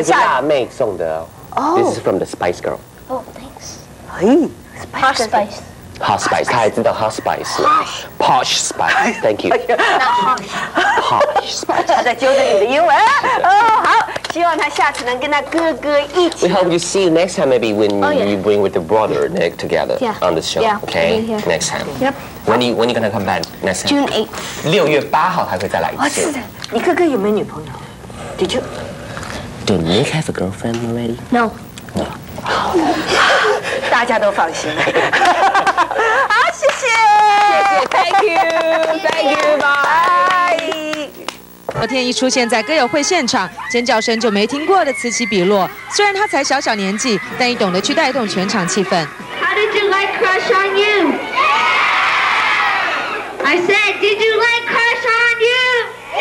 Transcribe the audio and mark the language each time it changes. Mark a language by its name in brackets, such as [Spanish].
[Chinese] 这是辣妹送的哦 [English] this is from the Spice Girl oh thanks 哎 Posh Spice Hot spice， [Chinese] 他还知道 [English] hot spice，posh spice，thank you，posh spice， [Chinese] 他在纠正你的英文哦，好，希望他下次能跟他哥哥一起。 [English] We hope you see you next time, maybe when you bring with the brother Nick together on the show, okay? Next time. Yep. When you gonna come back next time? June 8th. [Chinese] 六月八号还会再来一次。我是的，你哥哥有没有女朋友 ？ [English] Did you? Did Nick have a girlfriend already? No. No. [Chinese] 大家都放心。 [English] Thank you, bye. [Chinese] 昨天一出现在歌友会现场，尖叫声就没听过的此起彼落。虽然他才小小年纪，但也懂得去带动全场气氛。 [English] How did you like Crush on You? Yeah! I said, did you like Crush on You?